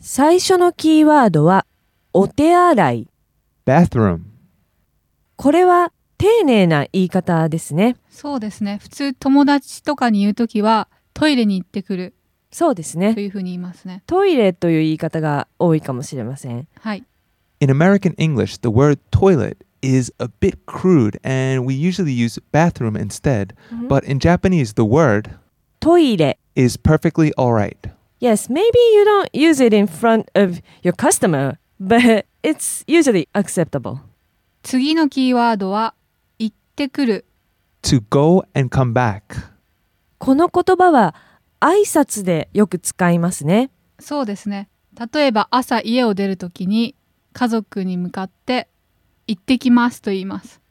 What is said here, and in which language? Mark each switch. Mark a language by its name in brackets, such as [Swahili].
[Japanese] 最初のキーワードはお手洗い、 [English] bathroom。 [Japanese] これは丁寧な言い方ですね。そうですね、普通友達とかに言うときはトイレに行ってくる。そうですね、というふうに言いますね。トイレという言い方が多いかもしれません。はい。 [English] In American English, the word toilet is a bit crude and we usually use bathroom instead. But in Japanese, the word [Japanese] トイレ [English] is perfectly all right. Yes, maybe you don't use it in front of your customer, but it's usually acceptable. [Japanese] 次のキーワードは行ってくる、 [English] to go and come back. [Japanese] この言葉は挨拶でよく使いますね。そうですね、例えば朝家を出るときに家族に向かって行ってきますと言います。